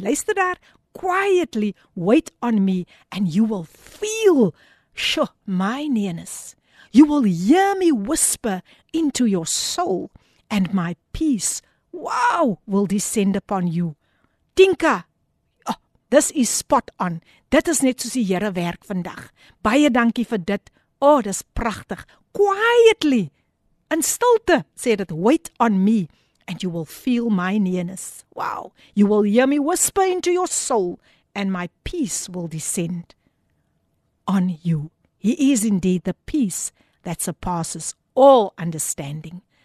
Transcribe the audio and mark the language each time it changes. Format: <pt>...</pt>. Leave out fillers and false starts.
<af>Luister daar,</af> <en>quietly wait on me, and you will feel, my nearness. You will hear me whisper into your soul, and my peace, will descend upon you. Tinka, this is spot on.</en> <af>Dit is net soos die Here werk vandag. Baie dankie vir dit. Dis prachtig.</af> <en>Quietly,</en> <af>in stilte, sê dit,</af> <en>wait on me, and you will feel my nearness. Wow, you will hear me whisper into your soul, and my peace will descend on you. He is indeed the peace that surpasses all understanding.</en>